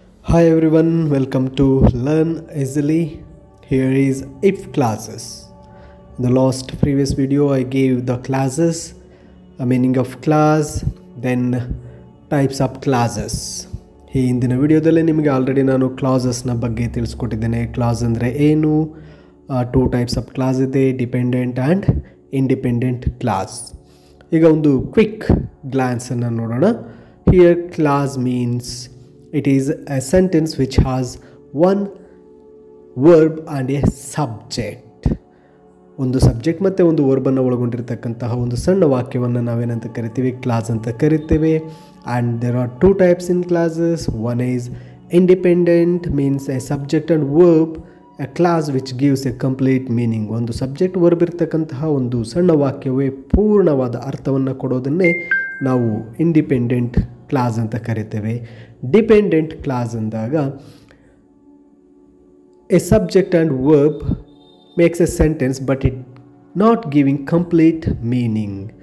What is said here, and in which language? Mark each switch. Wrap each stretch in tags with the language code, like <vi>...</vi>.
<en>Hi everyone, welcome to Learn Easily. Here is if classes. In the last previous video I gave the classes, a meaning of class, then types of classes.</en> <kn>ಇಂದಿನ ವಿಡಿಯೋದಲ್ಲಿ ನಿಮಗೆ already ನಾನು ಕ್ಲಾಸಸ್ನ ಬಗ್ಗೆ ತಿಳಿಸ್ಕೊಟ್ಟಿದ್ದೇನೆ. Class ಅಂದರೆ ಏನು, two types of class ಇದೆ, dependent and independent class. ಈಗ ಒಂದು ಕ್ವಿಕ್ ಗ್ಲಾನ್ಸನ್ನು ನೋಡೋಣ.</kn> <en>Here clause means it is a sentence which has one verb and a subject.</en> <kn>ಒಂದು ಸಬ್ಜೆಕ್ಟ್ ಮತ್ತು ಒಂದು ವರ್ಬನ್ನು ಒಳಗೊಂಡಿರತಕ್ಕಂತಹ ಒಂದು ಸಣ್ಣ ವಾಕ್ಯವನ್ನು ನಾವೇನಂತ ಕರಿತೀವಿ, ಕ್ಲಾಸ್ ಅಂತ ಕರಿತೇವೆ.</kn> <en>And there are two types in classes. One is independent, means a subject and verb, a class which gives a complete meaning.</en> <kn>ಒಂದು ಸಬ್ಜೆಕ್ಟ್ ವರ್ಬ್ ಇರ್ತಕ್ಕಂತಹ ಒಂದು ಸಣ್ಣ ವಾಕ್ಯವೇ ಪೂರ್ಣವಾದ ಅರ್ಥವನ್ನು ಕೊಡೋದನ್ನೇ ನಾವು ಇಂಡಿಪೆಂಡೆಂಟ್ ಕ್ಲಾಸ್ ಅಂತ ಕರಿತೇವೆ. ಡಿಪೆಂಡೆಂಟ್ ಕ್ಲಾಸ್ ಅಂದಾಗ</kn> <en>A subject and verb makes a sentence but it not giving complete meaning.</en>